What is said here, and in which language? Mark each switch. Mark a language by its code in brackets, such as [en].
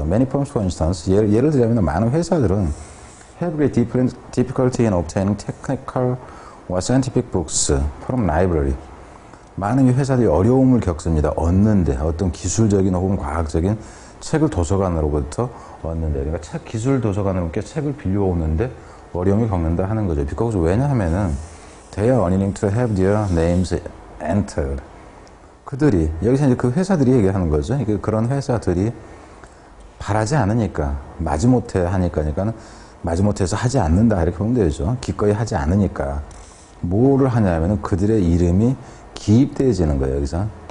[en] Many firms, for instance, [ko] 예를 들자면 많은 회사들은 [en] have great difficulty in obtaining technical or scientific books from library. [ko] 많은 회사들이 어려움을 겪습니다. 얻는데, 어떤 기술적인 혹은 과학적인 책을 도서관으로부터 얻는데, 그러니까 책, 기술 도서관으로부터 책을 빌려오는데 어려움을 겪는다 하는 거죠. [en] Because [ko] 왜냐하면은, [en] they are unwilling to have their names entered. [ko] 그들이, 여기서 이제 그 회사들이 얘기하는 거죠. 그러니까 그런 회사들이 바라지 않으니까, 마지못해 하니까, 마지못해서 하지 않는다. 이렇게 보면 되죠. 기꺼이 하지 않으니까. 뭐를 하냐면은 그들의 이름이 기입되어지는 거예요, 여기서.